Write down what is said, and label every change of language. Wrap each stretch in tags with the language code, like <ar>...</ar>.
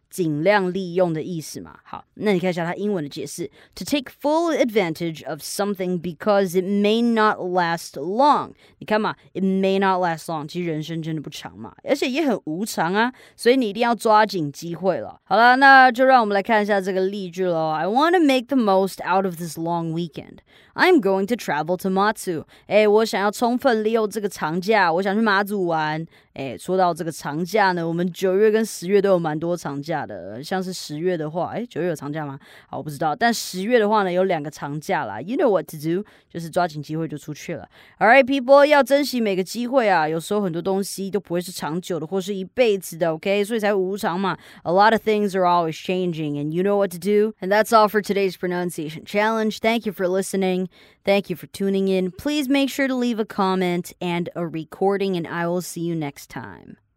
<zh>尽量利用的意思嘛。好，那你看一下它英文的解释 ，</zh> <en>to take full advantage of something because it may not last long。</en> <zh>你看嘛 ，</zh> <en>it may not last long，</en> <zh>其实人生真的不长嘛，而且也很无常啊，所以你一定要抓紧机会了。好了，那就让我们来看一下这个例句喽。</zh> <en>I want to make the most out of this long weekend. I'm going to travel to Matsu.</en> <zh>哎，我想要充分利用这个长假，我想去马祖玩。哎，说到这个长假呢，我们九月跟十月都有蛮多长假的。像是十月的话，哎，九月有长假吗？好，我不知道。但十月的话呢，有两个长假啦。</zh> <en>You know what to do?</en> <zh>就是抓紧机会就出去了。</zh> <en>All right, people,</en> <zh>要珍惜每个机会啊。有时候很多东西都不会是长久的，或是一辈子的。 OK, 所以才无常嘛。</zh> <en>A lot of things are always changing, and you know what to do. And that's all for today's pronunciation challenge. Thank you for listening. Thank you for tuning in. Please make sure to leave a comment and a recording, and I will see you next time.</en>